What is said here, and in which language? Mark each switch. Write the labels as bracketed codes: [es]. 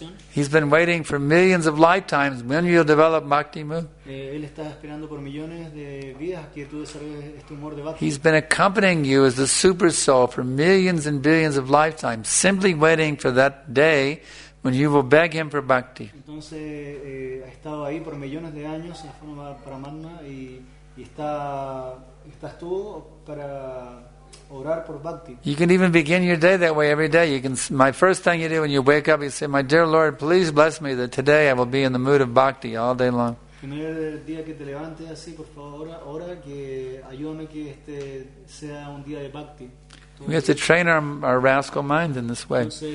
[en] He's been waiting for millions of lifetimes when you'll develop bhakti mood. He's been accompanying you as the super soul for millions and billions of lifetimes, simply waiting for that day when you will beg him for bhakti. [es] Entonces, ha estado ahí por millones de años en forma paramatma y estás tú para... [en] You can even begin your day that way every day. You can. My first thing you do when you wake up, you say, "My dear Lord, please bless me that today I will be in the mood of bhakti all day long." [es] Primer día que te levantes así, por favor, ora que ayúdame que este sea un día de bhakti. [en] We have to train our rascal mind in this way.